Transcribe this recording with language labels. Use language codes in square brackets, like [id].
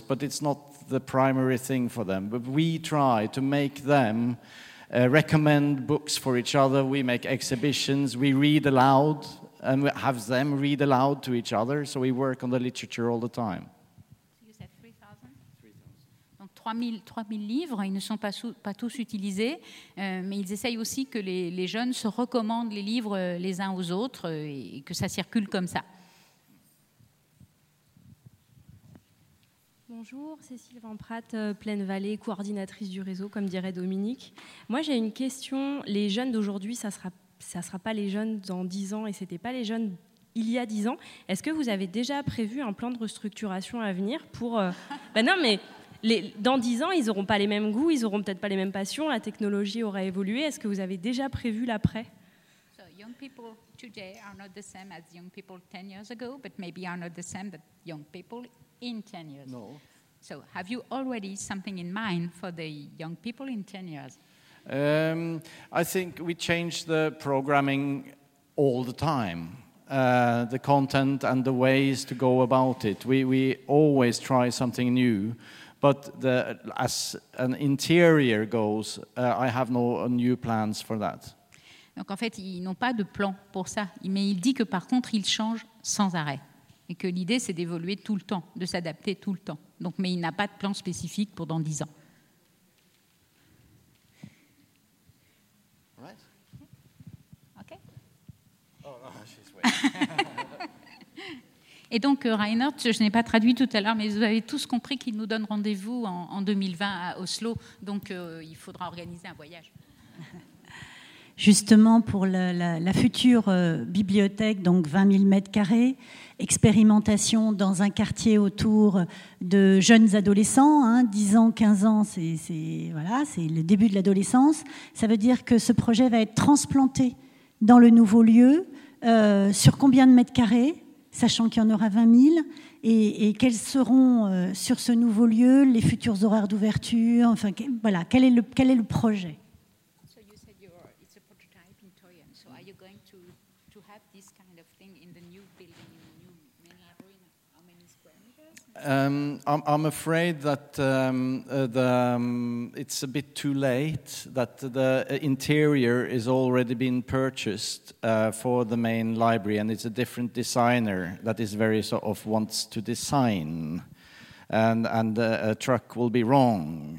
[en] But it's not the primary thing for them. But we try to make them recommend books for each other. We make exhibitions. We read aloud, and we have them read aloud to each other. So we work on the literature all the time. [fr] 3 000 livres, ils ne sont pas tous utilisés, mais ils essayent aussi que les jeunes se recommandent les livres les uns aux autres et que ça circule comme ça. Bonjour, Cécile Van Pratt, Pleine Vallée, coordinatrice du réseau, comme dirait Dominique. Moi, j'ai une question. Les jeunes d'aujourd'hui, ça sera pas les jeunes dans 10 ans et ce n'était pas les jeunes il y a 10 ans. Est-ce que vous avez déjà prévu un plan de restructuration à venir pour... dans 10 ans, ils n'auront pas les mêmes goûts, ils n'auront peut-être pas les mêmes passions, la technologie aura évolué. Est-ce que vous avez déjà prévu l'après ? [en] So, young people today are not the same as young people 10 years ago, but maybe are not the same as young people in 10 years. No. So, have you already something in mind for the young people in 10 years? I think we change the programming all the time. The content and the ways to go about it. We always try something new. But as an interior goes, I have no new plans for that. [fr] Donc en fait, ils n'ont pas de plan pour ça. Mais il dit que par contre, ils changent sans arrêt. Et que l'idée, c'est d'évoluer tout le temps, de s'adapter tout le temps. Donc, mais il n'a pas de plan spécifique pour dans 10 ans. [en] Right. OK. Oh, no, she's waiting. [fr] Et donc, Reinhard, je n'ai pas traduit tout à l'heure, mais vous avez tous compris qu'il nous donne rendez-vous en 2020 à Oslo, donc il faudra organiser un voyage. Justement, pour la future bibliothèque, donc 20 000 mètres carrés, expérimentation dans un quartier autour de jeunes adolescents, hein, 10 ans, 15 ans, c'est le début de l'adolescence, ça veut dire que ce projet va être transplanté dans le nouveau lieu, sur combien de mètres carrés ? Sachant qu'il y en aura 20 000, et quels seront sur ce nouveau lieu les futurs horaires d'ouverture, enfin voilà, quel est le projet? [en] So you said it's a prototype in Toyen. So are you going to have this kind of thing in the new building, in the new main arena? How many square meters? I'm afraid that it's a bit too late. That the interior is already been purchased for the main library, and it's a different designer that is very sort of wants to design, and a truck will be wrong.